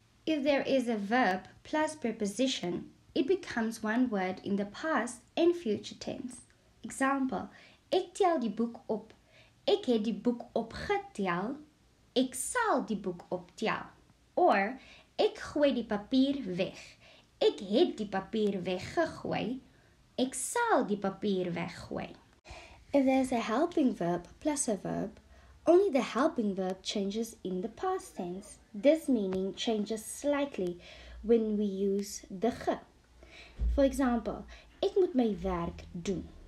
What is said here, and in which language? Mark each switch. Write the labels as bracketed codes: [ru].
[en] If there is a verb plus preposition, it becomes one word in the past and future tense. Example, [af] ek tel die boek op. Ek het die boek opgetel. Ek sal die boek optel. Or, ek gooi die papier weg. Ek het die papier weggegooi. Ek sal die papier weggooi. [en] If there's a helping verb plus a verb, only the helping verb changes in the past tense. This meaning changes slightly when we use the ge. For example, [af] ek moet my werk doen.